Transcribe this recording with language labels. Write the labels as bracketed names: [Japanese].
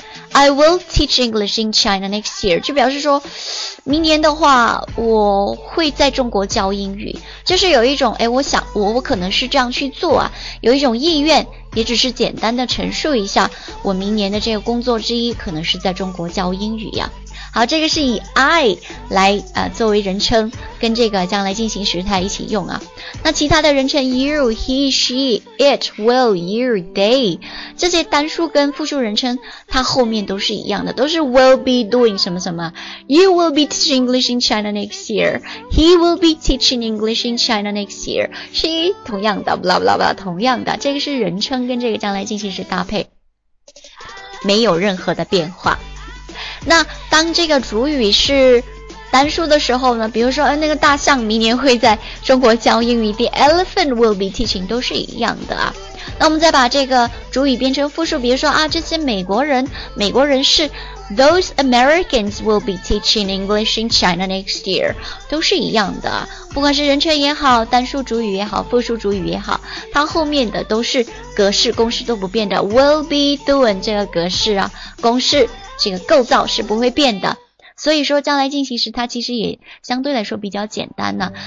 [English] I will teach English in China next year， [Chinese] 就表示说明年的话我会在中国教英语，就是有一种我想我可能是这样去做啊，有一种意愿，也只是简单的陈述一下我明年的这个工作之一可能是在中国教英语呀。好，这个是以 I 来作为人称，跟这个将来进行时态一起用啊。那其他的人称 you, he, she, it, will, you, they， 这些单数跟复数人称它后面都是一样的，都是 will be doing 什么什么， [English] you will be teaching English in China next year， he will be teaching English in China next year， [Chinese] she 同样的 blah blah blah， 同样的，这个是人称跟这个将来进行时搭配没有任何的变化。那当这个主语是单数的时候呢，比如说那个大象明年会在中国教英语， [English] The elephant will be teaching， [Chinese] 都是一样的啊。那我们再把这个主语变成复数，比如说啊，这些美国人是 [English] Those Americans will be teaching English in China next year， [Chinese] 都是一样的，不管是人称也好，单数主语也好，复数主语也好，它后面的都是格式公式都不变的， will be doing 这个格式啊，公式这个构造是不会变的，所以说将来进行时它其实也相对来说比较简单呢。